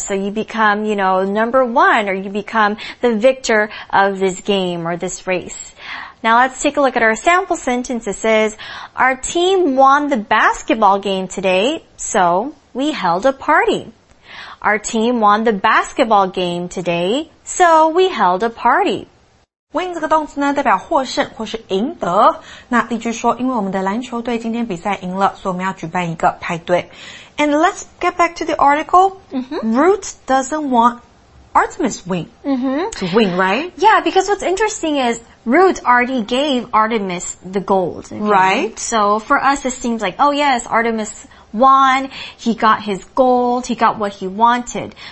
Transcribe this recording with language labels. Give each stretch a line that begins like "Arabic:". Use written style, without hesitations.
English: So you become, you know, number one, or you become the victor of this game or this race. Now let's take a look at our sample sentence. It says, our team won the basketball game today, so we held a party. Our team won the basketball game today, so we held a party.
Chinese: Win 这个动词呢代表获胜或是赢得。那例句说因为我们的篮球队今天比赛赢了所以我们要举办一个派对。
English: And let's get back to the article.、Root doesn't want Artemis win、to win, right? Yeah, because what's interesting is Root already gave Artemis the gold.、 Right. So for us it seems like, oh yes, Artemis... won, he got his gold, he got what he wanted.